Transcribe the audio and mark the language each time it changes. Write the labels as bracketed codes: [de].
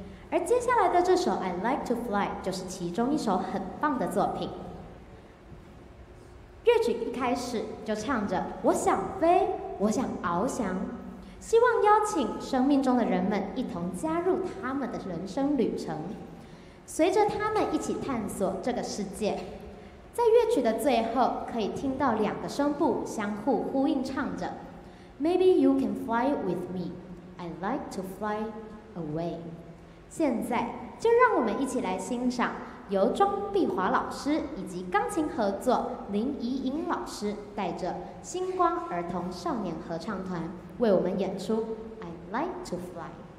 [zh] 而接下来的这首 I Like to Fly 就是其中一首很棒的作品。乐曲一开始就唱着我想飞，我想翱翔，希望邀请生命中的人们一同加入他们的人生旅程，随着他们一起探索这个世界。在乐曲的最后，可以听到两个声部相互呼应唱着 [en] Maybe you can fly with me, I like to fly away。 [zh] 现在就让我们一起来欣赏由庄碧华老师以及钢琴合作林怡莹老师带着星光儿童少年合唱团为我们演出 I like to fly。